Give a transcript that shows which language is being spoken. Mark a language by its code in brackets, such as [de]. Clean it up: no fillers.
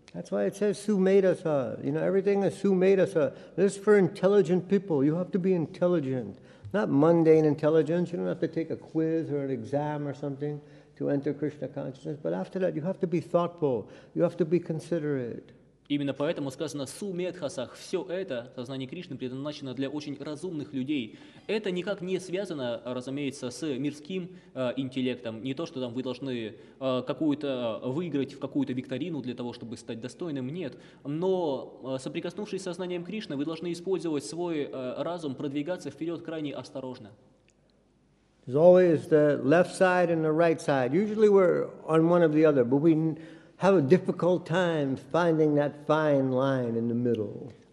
[en] That's why it says sumedasa. You know, everything is sumedasa. This is for intelligent people. You have to be intelligent, not mundane intelligence. You don't have to take a quiz or an exam or something to enter Krishna consciousness. But after that, you have to be thoughtful. You have to be considerate. [ru] Именно поэтому сказано «сумедхасах» – все это сознание Кришны предназначено для очень разумных людей. Это никак не связано, разумеется, с мирским интеллектом. Не то, что там вы должны какую-то выиграть в какую-то викторину для того, чтобы стать достойным, нет. Но соприкоснувшись с сознанием Кришны, вы должны использовать свой разум, продвигаться вперед крайне осторожно. [en] There's always the left side and the right side. Usually we're on one of the other, but we have a difficult time finding that fine line in the middle.